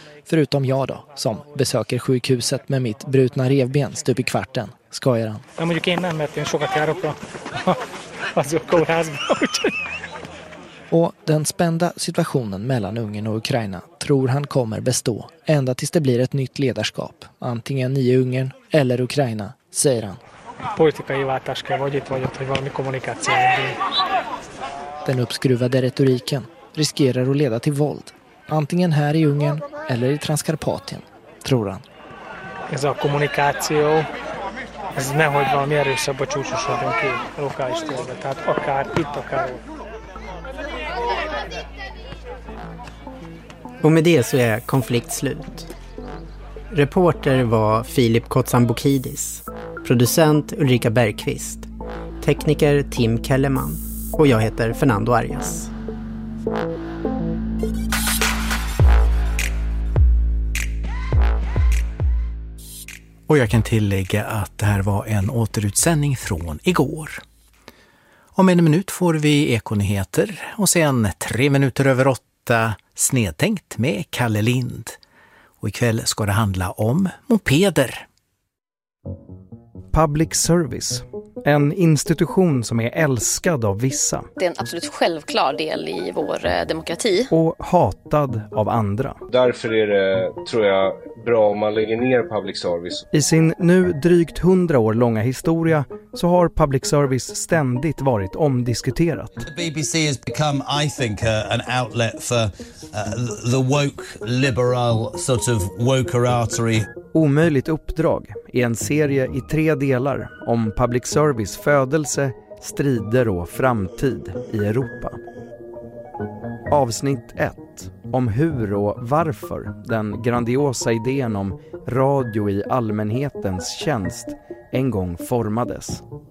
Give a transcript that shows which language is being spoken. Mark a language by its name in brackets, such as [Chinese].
[Swedish] Förutom jag då, som besöker sjukhuset med mitt brutna revben stup i kvarten, skojar han. Jag måste gå in med att jag ska ta upp och Och den spända situationen mellan Ungern och Ukraina tror han kommer bestå ända tills det blir ett nytt ledarskap, antingen i Ungern eller Ukraina, säger han. [Hungarian] Politikai váltás kell, vagy itt vagy ott, hogy valami kommunikáció. [Swedish] Den uppskruvade retoriken riskerar att leda till våld. Antingen här i Ungern eller i Transkarpatien, tror han. [Hungarian] Ez a kommunikáció az nehogy valami erősebb a csúcsosodjon ki lokális térbe, tehát akár itt, akár ott. [Swedish] Och med det så är konflikt slut. Reporter var Filip Kotsambokidis, producent Ulrika Bergqvist, tekniker Tim Kellerman och jag heter Fernando Arias. Och jag kan tillägga att det här var en återutsändning från igår. Om en minut får vi ekonyheter och sen 7:53 snedtänkt med Kalle Lind. Och ikväll ska det handla om mopeder. Public service. En institution som är älskad av vissa. Det är en absolut självklar del i vår demokrati. Och hatad av andra. Därför är det, tror jag, bra om man lägger ner public service. I sin nu drygt 100 år långa historia så har public service ständigt varit omdiskuterat. [English] The BBC has become, I think, an outlet for the woke liberal sort of woker artery. [Swedish] Omöjligt uppdrag i en serie i 3 delar om public service födelse, strider och framtid i Europa. Avsnitt 1 om hur och varför den grandiosa idén om radio i allmänhetens tjänst en gång formades.